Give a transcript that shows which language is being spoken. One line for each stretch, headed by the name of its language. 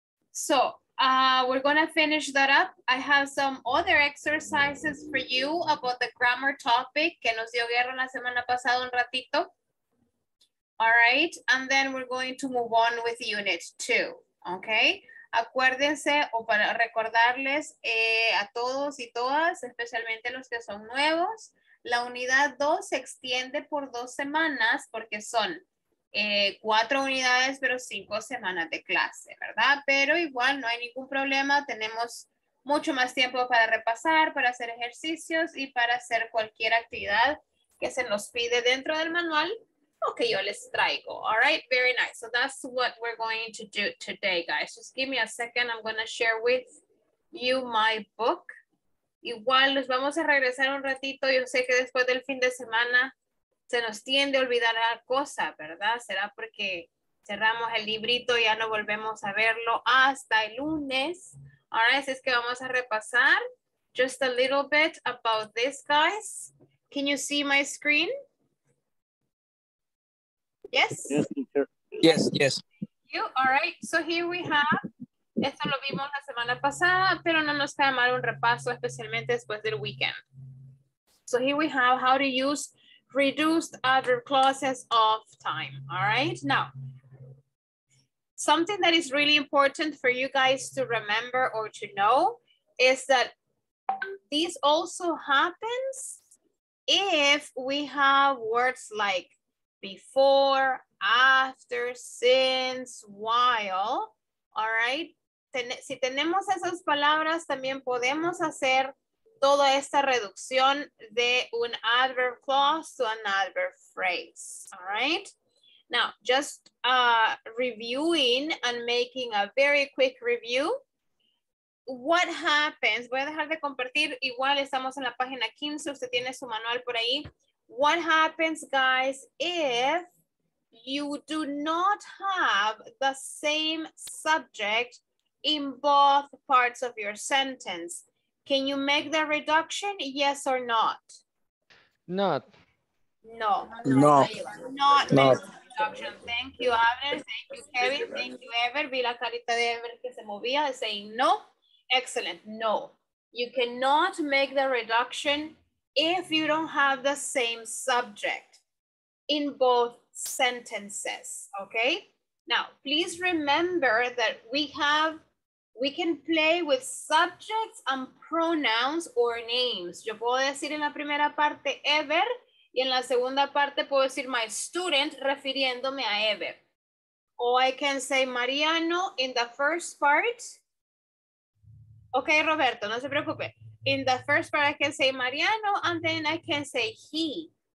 English: So we're gonna finish that up. I have some other exercises for you about the grammar topic
Spanish: que nos dio guerra la semana pasada un ratito.
English: All right, and then we're going to move on with unit two, okay?
Spanish: Acuérdense, o para recordarles a todos y todas, especialmente los que son nuevos, la unidad dos se extiende por dos semanas porque son cuatro unidades, pero cinco semanas de clase, ¿verdad? Pero igual no hay ningún problema, tenemos mucho más tiempo para repasar, para hacer ejercicios y para hacer cualquier actividad que se nos pide dentro del manual o que yo les traigo.
English: All right, very nice. So that's what we're going to do today, guys. Just give me a second, I'm going to share with you my book.
Spanish: Igual nos vamos a regresar un ratito, yo sé que después del fin de semana se nos tiende a olvidar la cosa, ¿verdad? Será porque cerramos el librito y ya no volvemos a verlo hasta el lunes. Ahora es que vamos a repasar
English: just a little bit about this, guys. Can you see my screen? Yes? Yes, yes. Yes. Thank you. All right, so here we have,
Spanish: esto lo vimos la semana pasada, pero no nos queda mal un repaso, especialmente después del weekend.
English: So here we have how to use reduced adverb clauses of time. All right, now something that is really important for you guys to remember or to know is that this also happens if we have words like before, after, since, while.
Spanish: All right, si tenemos esas palabras también podemos hacer toda esta reducción de un
English: adverb clause to an adverb phrase, all right? Now, just reviewing and making a very quick review. What happens,
Spanish: voy a dejar de compartir, igual estamos en la página 15, usted tiene su manual por ahí.
English: What happens, guys, if you do not have the same subject in both parts of your sentence? Can you make the reduction, yes or not? Not. No, not. Thank you, Abner. Thank you, Kevin. Thank you, Ever.
Spanish: Vi la carita de Ever que se movía,
English: saying no. Excellent.
Spanish: No.
English: You cannot make the reduction if you don't have the same subject in both sentences. Okay? Now, please remember that we can play with subjects and pronouns or names.
Spanish: Yo puedo decir en la primera parte Ever, y en la segunda parte puedo decir
English: my student
Spanish: refiriéndome a Ever.
English: Or I can say Mariano in the first part. Okay, Roberto,
Spanish: no se preocupe.
English: In the first part I can say Mariano and then I can say he.